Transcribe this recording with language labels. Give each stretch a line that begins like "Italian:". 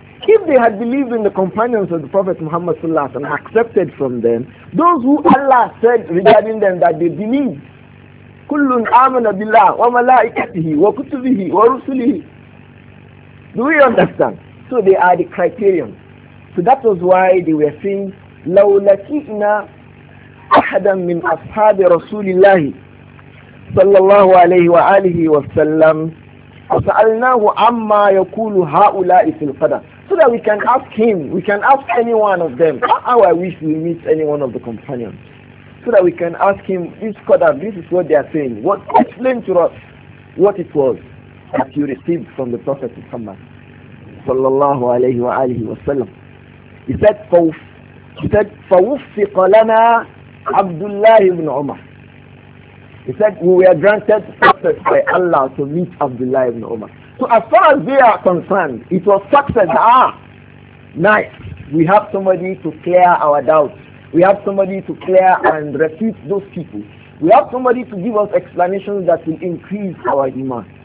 English: If they had believed in the companions of the Prophet Muhammad sallallahu alaihi wasallam and accepted from them, those who Allah said regarding them that they believed,
Arabic: كُلٌّ آمَنَ بِاللَّهِ وَمَلَائِكَتِهِ وَكُتُبِهِ وَرُسُلِهِ.
English: Do we understand? So they are the criterion. So that was why they were saying,
Arabic: لو لقينا احدا من اصحاب رسول الله صلى الله عليه واله وسلم وسالناه عما يقول هؤلاء في القدر.
English: So that we can ask him, we can ask any one of them. How I wish we meet any one of the companions. So that we can ask him, this Qadr, this is what they are saying. What, explain to us what it was that you received from the Prophet Muhammad.
Arabic: Sallallahu alayhi wa alihi wa sallam.
English: He said,
Arabic: فَوُفِّقَ لَنَا عَبْدُ اللَّهِ بْنُ عُمَرِ.
English: He said, we were granted success by Allah to meet Abdullah ibn Umar. So as far as they are concerned, it was success. Ah, nice. We have somebody to clear our doubts. We have somebody to clear and refute those people. We have somebody to give us explanations that will increase our iman.